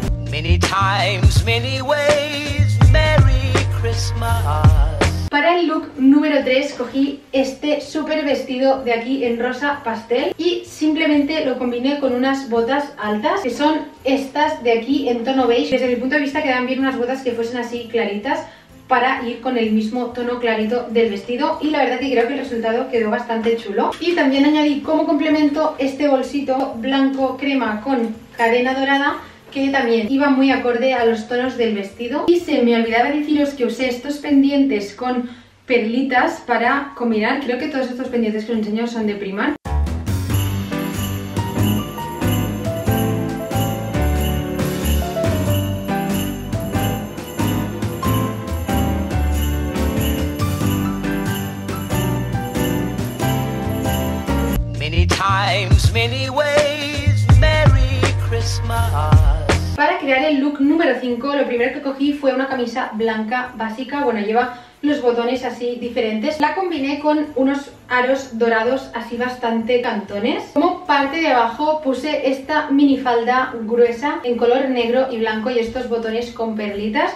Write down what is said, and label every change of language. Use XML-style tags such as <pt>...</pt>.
<en>Many times, many ways, Merry Christmas.</en> <es>Para el look número 3 cogí este súper vestido de aquí en rosa pastel y simplemente lo combiné con unas botas altas, que son estas de aquí en tono beige. Desde mi punto de vista quedan bien unas botas que fuesen así claritas para ir con el mismo tono clarito del vestido, y la verdad que creo que el resultado quedó bastante chulo. Y también añadí como complemento este bolsito blanco crema con cadena dorada, que también iba muy acorde a los tonos del vestido. Y se me olvidaba deciros que usé estos pendientes con perlitas para combinar. Creo que todos estos pendientes que os enseño son de Primark.</es> <en>Many times, many ways, Merry Christmas.</en> <es>Para crear el look número 5, lo primero que cogí fue una camisa blanca básica. Bueno, lleva los botones así diferentes. La combiné con unos aros dorados así bastante cantones. Como parte de abajo puse esta minifalda gruesa en color negro y blanco y estos botones con perlitas.</es>